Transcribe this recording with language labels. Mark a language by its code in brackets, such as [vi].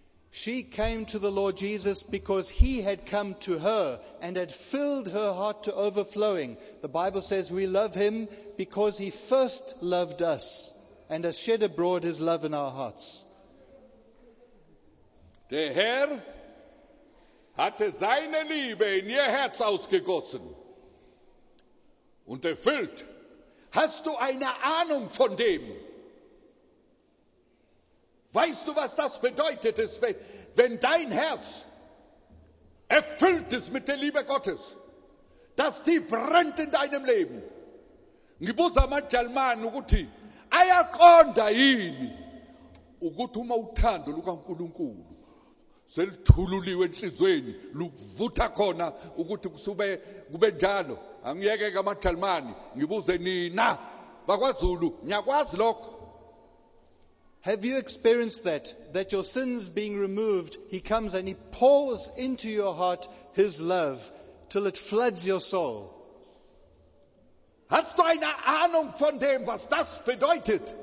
[en] She came to the Lord Jesus because he had come to her and had filled her heart to overflowing. The Bible says we love him because he first loved us and has shed abroad his love in our hearts. [de] Der Herr hatte seine Liebe in ihr Herz ausgegossen und erfüllt. Hast du eine Ahnung von dem? Weißt du, was das bedeutet, wenn dein Herz erfüllt ist mit der Liebe Gottes, dass die brennt in deinem Leben? [zu] Ngibuza amaJalimane ukuthi ayaqonda yini ukuthi uma uthando lukaNkulunkulu selithululiwe enhlizweni luvutha khona ukuthi kusube kube njalo. Angiyekeke amaJalimane, ngibuze nina bakwaZulu, ngiyakwazi lokho. [en] Have you experienced that? That your sins being removed, He comes and He pours into your heart His love till it floods your soul. [de] Hast du eine Ahnung von dem, was das bedeutet?